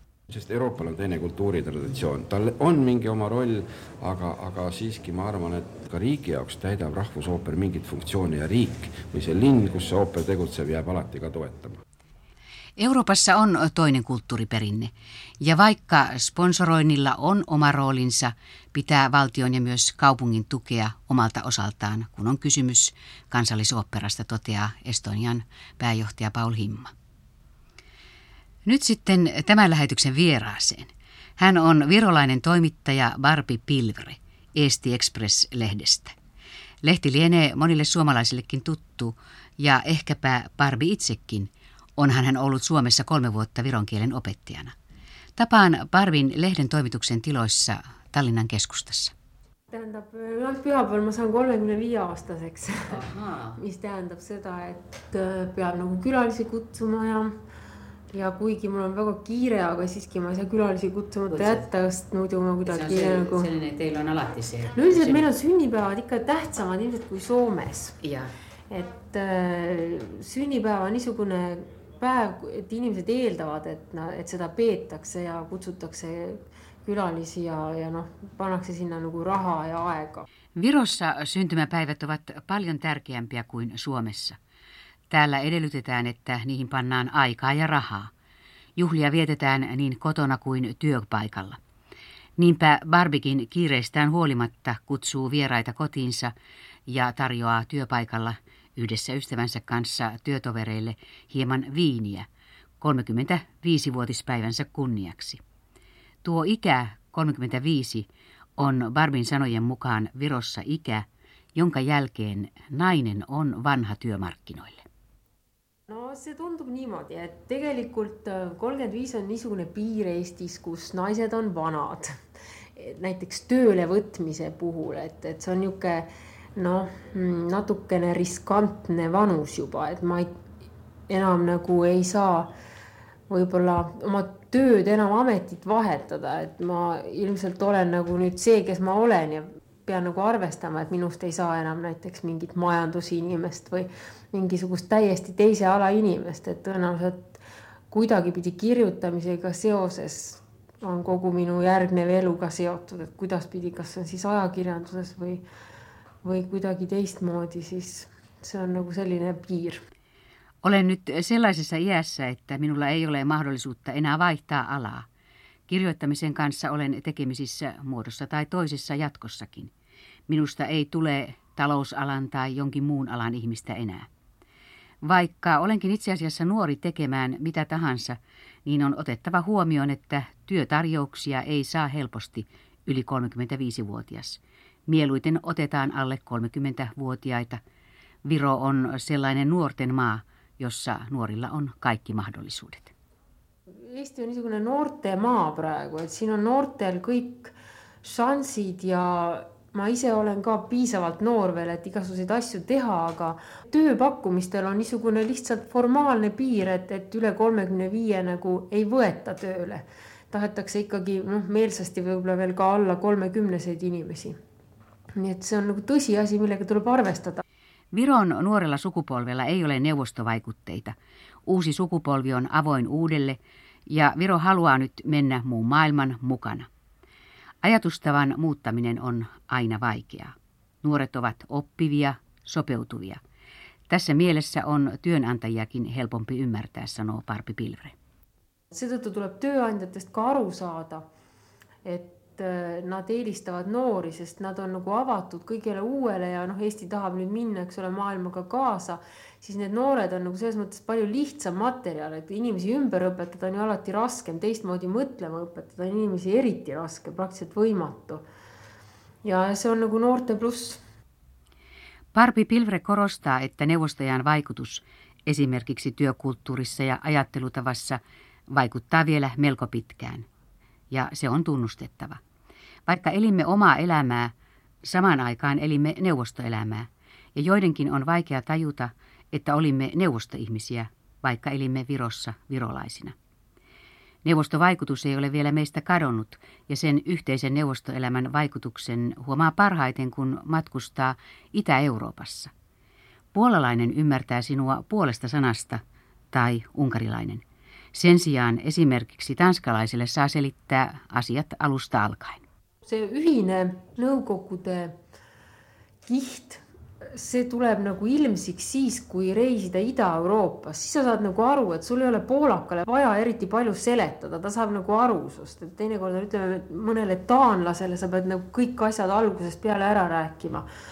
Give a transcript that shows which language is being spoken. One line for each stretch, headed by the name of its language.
Estonian: Sest Euroopal on teine kultuuritraditsioon. Tal on mingi oma roll, aga siiski ma arvan, et ka riigi jaoks täidab rahvusooper mingit funktsiooni ja riik või see linn, kus see ooper tegutseb, jääb alati ka toetama.
Finnish: Euroopassa on toinen kulttuuriperinne. Ja vaikka sponsoroinnilla on oma roolinsa, pitää valtion ja myös kaupungin tukea omalta osaltaan, kun on kysymys kansallisoopperasta, toteaa Estonian pääjohtaja Paul Himma. Nyt sitten tämän lähetyksen vieraaseen. Hän on virolainen toimittaja Barbie Pilvre, Eesti Express-lehdestä. Lehti lienee monille suomalaisillekin tuttu ja ehkäpä Barbie itsekin. Onhan hän ollut Suomessa 3 vuotta viron kielen opettajana. Tapaan Barbin lehden toimituksen tiloissa Tallinnan keskustassa.
Estonian: Tähendab, pühapäeval ma saan 35-aastaseks, mis tähendab seda, et peab nagu külalisi kutsuma ja... Ja kuigi mul on väga kiire, aga siiski ma ei saa külalisi kutsumata jätta, sest muud juba kuidagi kiire. See on selline, teil on alati see. No üldiselt meil on sünnipäevad ikka tähtsamad ilmselt kui Soomes. Ja. Et sünnipäev on niisugune päev, et inimesed eeldavad, et seda peetakse ja kutsutakse külalisi ja noh, panakse sinna nagu raha ja aega.
Finnish: Virossa syntymäpäivät ovat paljon tärkeämpiä kuin Suomessa. Täällä edellytetään, että niihin pannaan aikaa ja rahaa. Juhlia vietetään niin kotona kuin työpaikalla. Niinpä Barbikin kiireistään huolimatta kutsuu vieraita kotiinsa ja tarjoaa työpaikalla yhdessä ystävänsä kanssa työtovereille hieman viiniä 35-vuotispäivänsä kunniaksi. Tuo ikä 35 on Barbin sanojen mukaan Virossa ikä, jonka jälkeen nainen on vanha työmarkkinoille.
Estonian: No see tundub niimoodi, et tegelikult 35 on niisugune piir Eestis, kus naised on vanad. Näiteks tööle võtmise puhul, et see on juke no, natukene riskantne vanus juba, et ma enam nagu ei saa võibolla oma tööd enam ametit vahetada, et ma ilmselt olen nagu nüüd see, kes ma olen ja pean nagu arvestama, et minust ei saa enam näiteks mingit majandusinimest või mingisugust täiesti teise ala inimest, et tõenäoliselt kuidagi pidi kirjutamisega seoses on kogu minu järgnev eluga seotud, et kuidas pidi, kas on siis ajakirjanduses või kuidagi teistmoodi, siis see on nagu selline piir.
Finnish: Olen nyt sellaisessa iässä, että minulla ei ole mahdollisuutta enää vaihtaa alaa. Kirjoittamisen kanssa olen tekemisissä muodossa tai toisessa jatkossakin. Minusta ei tule talousalan tai jonkin muun alan ihmistä enää. Vaikka olenkin itse asiassa nuori tekemään mitä tahansa, niin on otettava huomioon, että työtarjouksia ei saa helposti yli 35-vuotias. Mieluiten otetaan alle 30-vuotiaita. Viro on sellainen nuorten maa, jossa nuorilla on kaikki mahdollisuudet.
Estonian: Eesti on niisugune noorte maa praegu, et siin on noortel kõik šansid ja ma ise olen ka piisavalt noor veel, et igasuseid asju teha, aga tööpakkumistel on niisugune lihtsalt formaalne piir, et üle 35 nagu ei võeta tööle. Tahetakse ikkagi meelsasti võibolla veel ka alla 30 inimesi. Nii et see on nagu tõsi asi, millega tuleb arvestada.
Finnish: Viron nuorella sukupolvella ei ole neuvostovaikutteita. Uusi sukupolvi on avoin uudelle ja Viro haluaa nyt mennä muun maailman mukana. Ajatustavan muuttaminen on aina vaikeaa. Nuoret ovat oppivia, sopeutuvia. Tässä mielessä on työnantajakin helpompi ymmärtää, sanoo Barbi Pilvre.
Estonian: Seetõttu tuleb tööandjatest ka aru saada, et nad eelistavad noori, sest nad on nagu avatud kõigele uuele ja Eesti tahab nüüd minna, eks ole maailmaga kaasa, siis need noored on nagu selles mõttes palju lihtsam materjal, et inimesi ümber õpetada on ju alati raskem, teistmoodi mõtlema õpetada on inimesi eriti raske, praktiliselt võimatu. Ja see on nagu noorte pluss.
Finnish: Barbi Pilvre korostaa, että neuvostajan vaikutus esimerkiksi työkulttuurissa ja ajattelutavassa vaikuttaa vielä melko pitkään. Ja se on tunnustettava. Vaikka elimme omaa elämää, samaan aikaan elimme neuvostoelämää. Ja joidenkin on vaikea tajuta, että olimme neuvostoihmisiä, vaikka elimme Virossa virolaisina. Neuvostovaikutus ei ole vielä meistä kadonnut, ja sen yhteisen neuvostoelämän vaikutuksen huomaa parhaiten, kun matkustaa Itä-Euroopassa. Puolalainen ymmärtää sinua puolesta sanasta, tai unkarilainen. Sen sijaan esimerkiksi tanskalaisille saa selittää asiat alusta alkaen.
Estonian: Se ühine nõukogude kiht, see tuleb nagu ilmsiks siis, kui reisida Ida-Euroopas. Siis sa saad nagu aru, et sul ei ole poolakale vaja eriti palju seletada. Ta saab nagu aru sust. Teine kord ütleme, mõnele taanlasele sa pead nagu kõik asjad algusest peale ära rääkima.